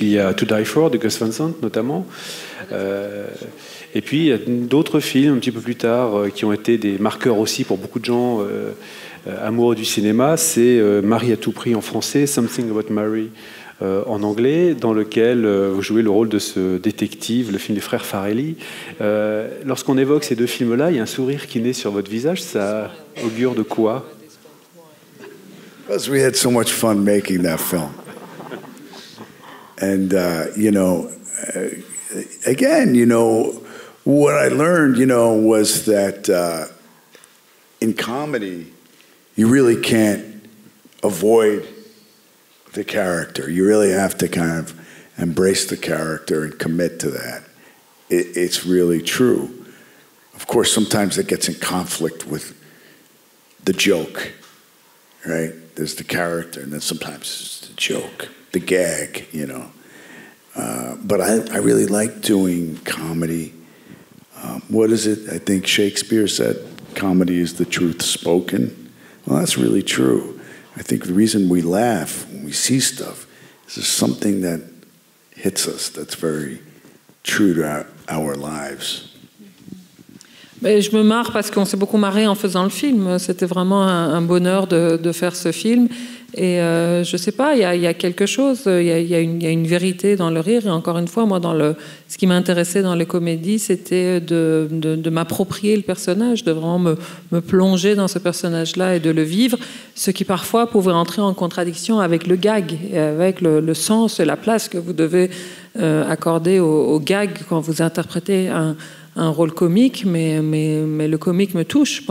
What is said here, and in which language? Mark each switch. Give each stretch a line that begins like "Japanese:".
French: Il y a To Die For de Gus Van Sant notamment. Et puis il y a d'autres films un petit peu plus tard qui ont été des marqueurs aussi pour beaucoup de gens amoureux du cinéma. C'est Marie à tout prix en français, Something About Mary en anglais, dans lequel vous jouez le rôle de ce détective, le film des frères Farrelly. Lorsqu'on évoque ces deux films-là, il y a un sourire qui naît sur votre visage. Ça augure de quoi ?
English: Because we had so much fun making that film. And, you know, again, you know, what I learned, you know, was that in comedy, you really can't avoid the character. You really have to kind of embrace the character and commit to that. It's really true. Of course, sometimes it gets in conflict with the joke, right? there's the character, and then sometimes it's the joke, the gag, you know. But I really like doing comedy. What is it? I think Shakespeare said, comedy is the truth spoken. Well, that's really true. I think the reason we laugh when we see stuff is there's something that hits us that's very true to our lives.
French: Mais je me marre parce qu'on s'est beaucoup marré en faisant le film. C'était vraiment un bonheur de faire ce film. Et je ne sais pas, il y a quelque chose, il y a une vérité dans le rire. Et encore une fois, moi, ce qui m'intéressait dans les comédies, c'était de m'approprier le personnage, de vraiment me plonger dans ce personnage-là et de le vivre, ce qui parfois pouvait entrer en contradiction avec le gag et avec le sens et la place que vous devez accorder au gag quand vous interprétez un rôle comique, mais le comique me touche.